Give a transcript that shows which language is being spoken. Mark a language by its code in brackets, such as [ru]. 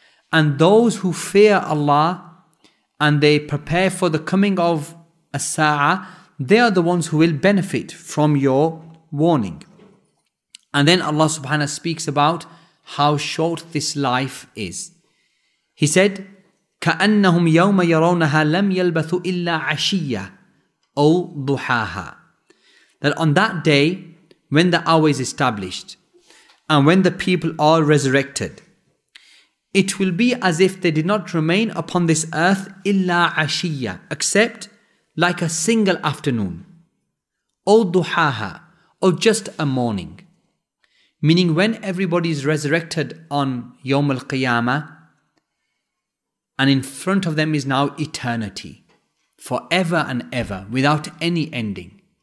[en] And those who fear Allah and they prepare for the coming of As-Sa'ah, they are the ones who will benefit from your warning. And then Allah subhanahu speaks about how short this life is. [ar] He said, كَأَنَّهُمْ يَوْمَ يَرَوْنَهَا لَمْ يَلْبَثُ إِلَّا عَشِيَّةً أَوْ ضُحَاهَا. [en] That on that day, when the hour is established, and when the people are resurrected, it will be as if they did not remain upon this earth [ar] إِلَّا عَشِيَّةً, [en] except like a single afternoon. [ar] أَوْ ضُحَاهَا, [en] or just a morning. Meaning when everybody is resurrected on يوم القيامة, and in front of them is now eternity, forever and ever, without any ending.